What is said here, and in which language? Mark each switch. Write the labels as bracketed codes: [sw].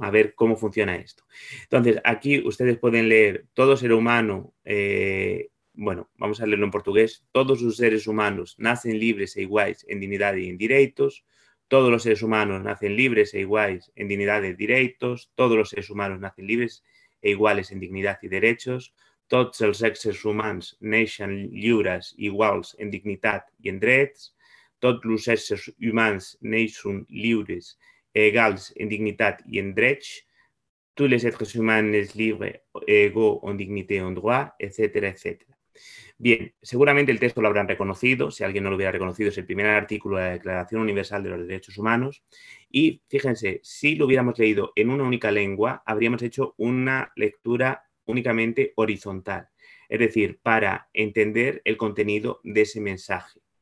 [es] A ver cómo funciona esto. Entonces, aquí ustedes pueden leer todo ser humano, bueno, vamos a leerlo en portugués, todos los seres humanos nacen libres e iguales en dignidad y en derechos. Todos los seres humanos nacen libres e iguales en dignidad y derechos. Todos los seres humanos nacen libres e iguales en dignidad y derechos. [ca] Tots els éssers humans neixen lliures i iguals en dignitat i en drets. Tots els éssers humans neixen lliures i iguals en dignitat i en drets. Tots els éssers humans lliures i iguals en dignitat i en drets, etc. etc. [es] Bien, seguramente el texto lo habrán reconocido, si alguien no lo hubiera reconocido, es el primer artículo de la Declaración Universal de los Derechos Humanos. Y fíjense, si lo hubiéramos leído en una única lengua, habríamos hecho una lectura únicamente horizontal, es decir, para entender el contenido de ese mensaje.